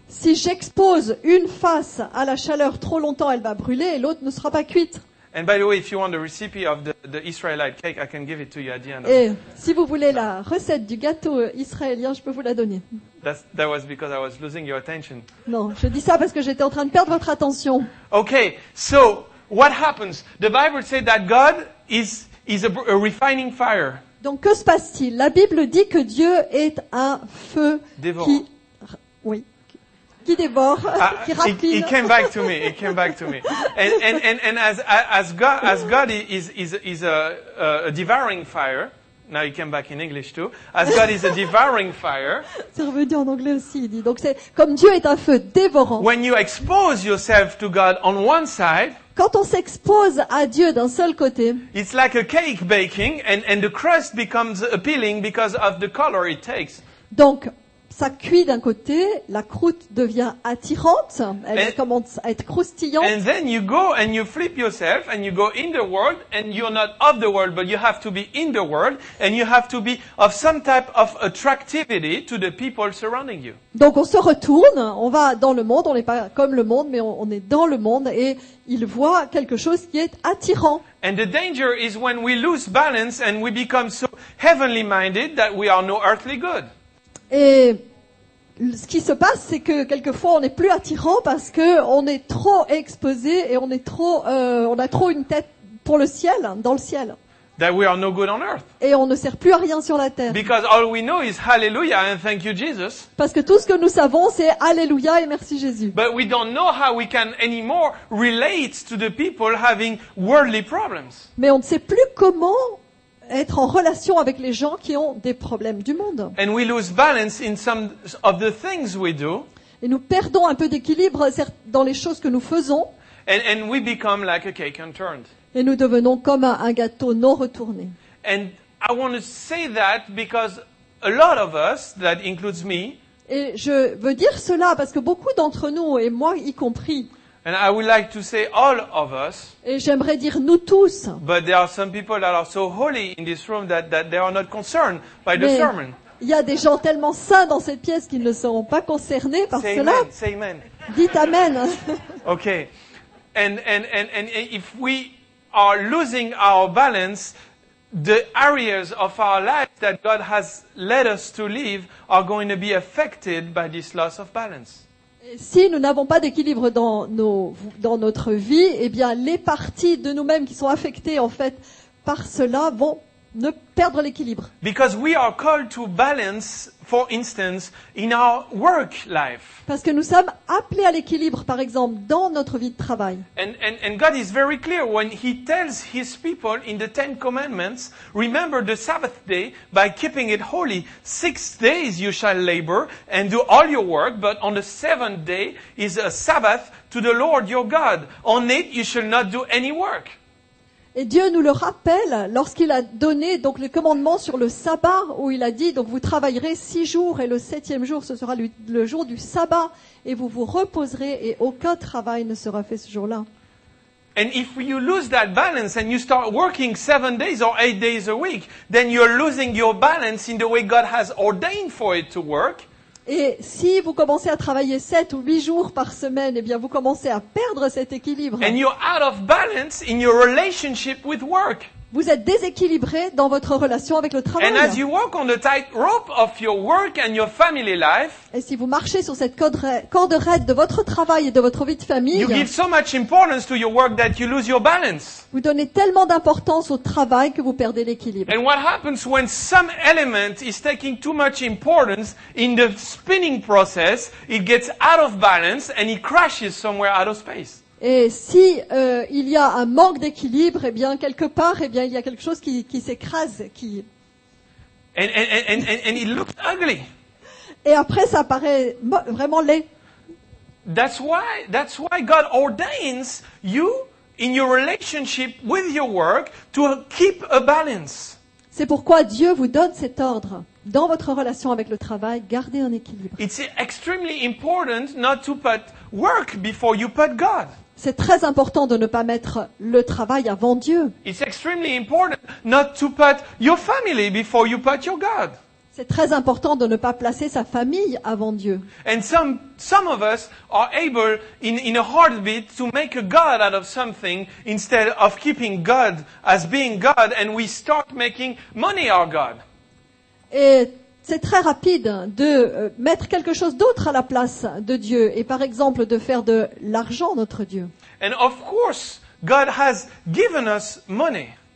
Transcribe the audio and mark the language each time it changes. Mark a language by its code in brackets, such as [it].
[fr] Si j'expose une face à la chaleur trop longtemps, elle va brûler et l'autre ne sera pas cuite. [en] And by the way, if you want the recipe of the Israelite cake, I can give it to you at the end. [fr] Et si vous voulez la recette du gâteau israélien, je peux vous la donner. [en] That was because I was losing your attention. [fr] Non, je dis ça parce que j'étais en train de perdre votre attention. [en] Okay, so what happens? The Bible says that God is a refining fire. [fr] Donc que se passe-t-il? La Bible dit que Dieu est un feu qui dévore, qui raffine. [en] It came back to me. It came back to me. And as God is a devouring fire. Now it came back in English too. As God is a devouring fire. [fr] C'est revenu en anglais aussi. Il dit donc c'est comme Dieu est un feu dévorant. [en] When you expose yourself to God on one side. [fr] Quand on s'expose à Dieu d'un seul côté. [en] It's like a cake baking and the crust becomes appealing because of the color it takes. [fr] Donc ça cuit d'un côté, la croûte devient attirante, elle commence à être croustillante. [en] And then you go and you flip yourself and you go in the world and you're not of the world but you have to be in the world and you have to be of some type of attractivity to the people surrounding you. [fr] Donc on se retourne, on va dans le monde, on n'est pas comme le monde mais on est dans le monde et il voit quelque chose qui est attirant. [en] And the danger is when we lose balance and we become so heavenly minded that we are no earthly good. [fr] Et ce qui se passe, c'est que quelquefois, on n'est plus attirant parce que on est trop exposé et on est trop, on a trop une tête pour le ciel, dans le ciel. [en] That we are no good on earth. [fr] Et on ne sert plus à rien sur la terre. [en] Because all we know is hallelujah and thank you Jesus. [fr] Parce que tout ce que nous savons, c'est hallelujah et merci Jésus. [en] But we don't know how we can anymore relate to the people having worldly problems. [fr] Mais on ne sait plus comment être en relation avec les gens qui ont des problèmes du monde. [en] And we lose balance in some of the things we do. [fr] Et nous perdons un peu d'équilibre dans les choses que nous faisons. [en] And we become like a cake unturned. [fr] Et nous devenons comme un gâteau non retourné. [en] And I want to say that because a lot of us, that includes me. [fr] Et je veux dire cela parce que beaucoup d'entre nous et moi y compris. [en] And I would like to say all of us. [fr] Et j'aimerais dire nous tous. [en] But there are some people that are so holy in this room that they are not concerned by the sermon. [fr] Il y a des gens tellement saints dans cette pièce qu'ils ne seront pas concernés par [en] say [fr] cela. [en] Amen, say amen. [fr] Dites amen. [en] Okay. And if we are losing our balance, the areas of our life that God has led us to live are going to be affected by this loss of balance. [fr] Si nous n'avons pas d'équilibre dans notre vie, eh bien les parties de nous-mêmes qui sont affectées en fait par cela vont ne perdre l'équilibre. [en] Because we are called to balance, for instance, in our work life. [fr] Parce que nous sommes appelés à l'équilibre, par exemple, dans notre vie de travail. [en] And God is very clear when He tells His people in the Ten Commandments, remember the Sabbath day by keeping it holy. 6 days you shall labor and do all your work, but on the seventh day is a Sabbath to the Lord your God. On it you shall not do any work. [fr] Et Dieu nous le rappelle lorsqu'il a donné donc les commandements sur le sabbat où il a dit donc vous travaillerez 6 jours et le 7e jour ce sera le jour du sabbat et vous vous reposerez et aucun travail ne sera fait ce jour-là. [en] And if you lose that balance and you start working 7 days or 8 days a week, then you're losing your balance in the way God has ordained for it to work. [fr] Et si vous commencez à travailler 7 ou 8 jours par semaine, eh bien vous commencez à perdre cet équilibre. [en] And you're out of balance in your relationship with work. [fr] Vous êtes déséquilibré dans votre relation avec le travail. [en] And as you walk on the tight rope of your work and your family life, [fr] et si vous marchez sur cette corde raide de votre travail et de votre vie de famille, [en] you give so much importance to your work that you lose your balance. [fr] Vous donnez tellement d'importance au travail que vous perdez l'équilibre. [en] And what happens when some element is taking too much importance in the spinning process, it gets out of balance and it crashes somewhere out of space. [fr] Et si il y a un manque d'équilibre, eh bien quelque part, eh bien il y a quelque chose qui s'écrase, qui. [en] And it looks ugly. [fr] Et après, ça paraît vraiment laid. [en] That's why God ordains you in your relationship with your work to keep a balance. [fr] C'est pourquoi Dieu vous donne cet ordre. Dans votre relation avec le travail, gardez un équilibre. [en] It's extremely important not to put work before you put God. [fr] C'est très important de ne pas mettre le travail avant Dieu. [en] It's extremely important not to put your family before you put your God. [fr] C'est très important de ne pas placer sa famille avant Dieu. [en] And some of us are able in a heartbeat to make a God out of something instead of keeping God as being God, and we start making money our God. [fr] Et c'est très rapide de mettre quelque chose d'autre à la place de Dieu et par exemple de faire de l'argent notre Dieu. [en] And of course, God has given us money.